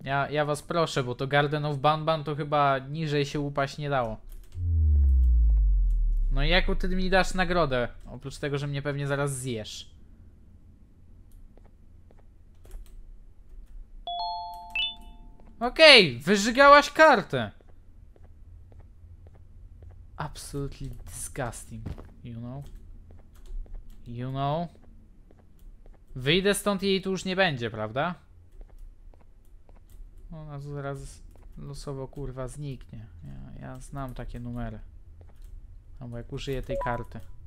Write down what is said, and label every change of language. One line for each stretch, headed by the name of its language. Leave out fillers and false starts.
Polish: Ja was proszę, bo to Garden of Banban to chyba niżej się upaść nie dało. No i jaką ty mi dasz nagrodę? Oprócz tego, że mnie pewnie zaraz zjesz. Okej, okay, wyżygałaś kartę!
English: Absolutely disgusting, you know? You know?
Polish: Wyjdę stąd i jej tu już nie będzie, prawda? Ona zaraz losowo, kurwa, zniknie. Ja znam takie numery. Albo jak użyję tej karty.